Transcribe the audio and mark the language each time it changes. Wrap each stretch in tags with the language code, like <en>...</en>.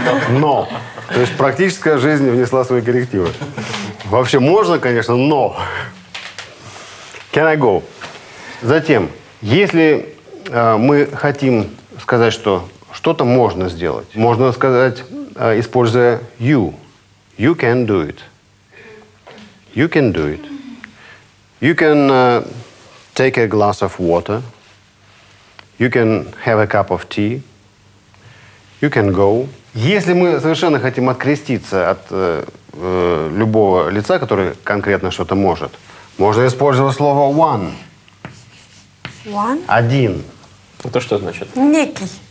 <ru>Но! То есть практическая жизнь внесла свои коррективы. Вообще можно, конечно, но...</ru> <en>Can I go?</en> <ru>Затем, если мы хотим сказать, что что-то можно сделать. Можно сказать, используя you.</ru> <en>You can do it. You can do it. You can take a glass of water. You can have a cup of tea. You can go.</en> <ru>Если мы совершенно хотим откреститься от любого лица, который конкретно что-то может, можно использовать слово one.</ru> <en>One?</en> <ru>Один. Это что значит? Некий.</ru>